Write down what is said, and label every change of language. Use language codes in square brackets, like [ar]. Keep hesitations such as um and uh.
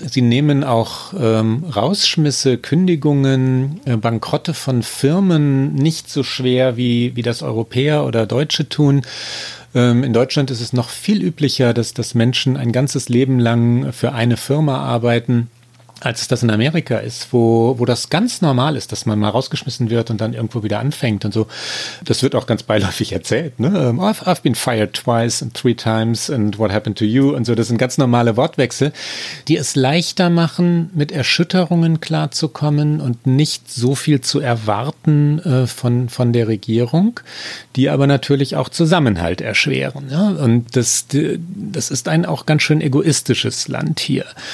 [de] Sie nehmen auch ähm, Rausschmisse, Kündigungen, äh, Bankrotte von Firmen nicht so schwer, wie, wie das Europäer oder Deutsche tun. Ähm, in Deutschland ist es noch viel üblicher, dass, dass Menschen ein ganzes Leben lang für eine Firma arbeiten als es das in Amerika ist, wo, wo das ganz normal ist, dass man mal rausgeschmissen wird und dann irgendwo wieder anfängt und so. Das wird auch ganz beiläufig erzählt. Ne? [en] I've, I've been fired twice and three times and what happened to you [de] und so. Das sind ganz normale Wortwechsel, die es leichter machen, mit Erschütterungen klarzukommen und nicht so viel zu erwarten äh, von, von der Regierung, die aber natürlich auch Zusammenhalt erschweren. Ja? Und das, das ist ein auch ganz schön egoistisches Land hier.